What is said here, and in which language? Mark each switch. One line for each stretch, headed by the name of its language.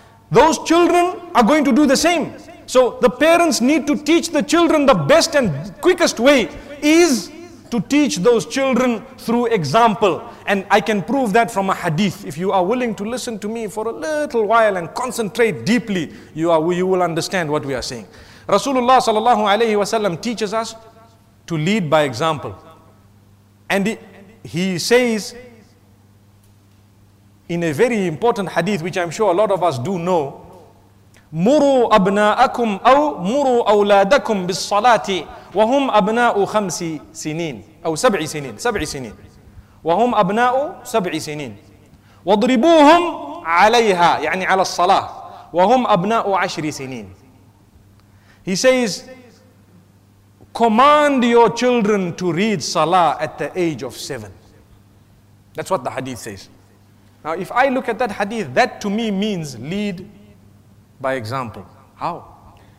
English: Those children are going to do the same. So the parents need to teach the children the best and quickest way is to teach those children through example. And I can prove that from a hadith. If you are willing to listen to me for a little while and concentrate deeply, you will understand what we are saying. Rasulullah sallallahu alayhi wa sallam teaches us to lead by example. And he says in a very important hadith, which I'm sure a lot of us do know,
Arabic: مُرُوا أَبْنَاءَكُمْ أَوْ مُرُوا أَوْلَادَكُمْ بِالصَّلَاةِ وَهُمْ أَبْنَاءُ خَمْسِ سِنِينَ أَوْ سَبْعِ سِنِينَ سَبْعِ سِنِينَ وَهُمْ أَبْنَاءُ سَبْعِ سِنِينَ وَضْرِبُوهُمْ عَلَيْهَا يعني على الصلاة وَهُمْ أَبْنَاءُ عَشْرِ سِنِينَ.
English: He says, command your children to read salah at the age of 7. That's what the hadith says. Now if I look at that hadith, that to me means lead by example. How?